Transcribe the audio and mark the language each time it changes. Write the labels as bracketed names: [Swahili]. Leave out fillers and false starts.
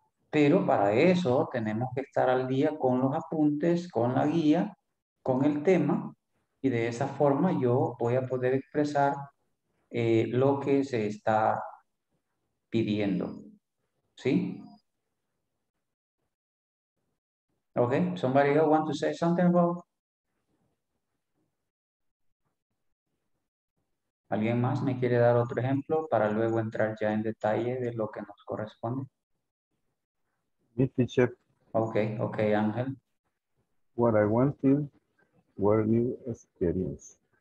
[Spanish] Pero para eso tenemos que estar al día con los apuntes, con la guía, con el tema. Y de esa forma yo voy a poder expresar lo que se está pidiendo. ¿Sí? [English] Ok, somebody else want to say something about? [Spanish] ¿Alguien más me quiere dar otro ejemplo para luego entrar ya en detalle de lo que nos corresponde? Mi teacher, [English] Okay, okay, Angel. What I wanted were new experiences.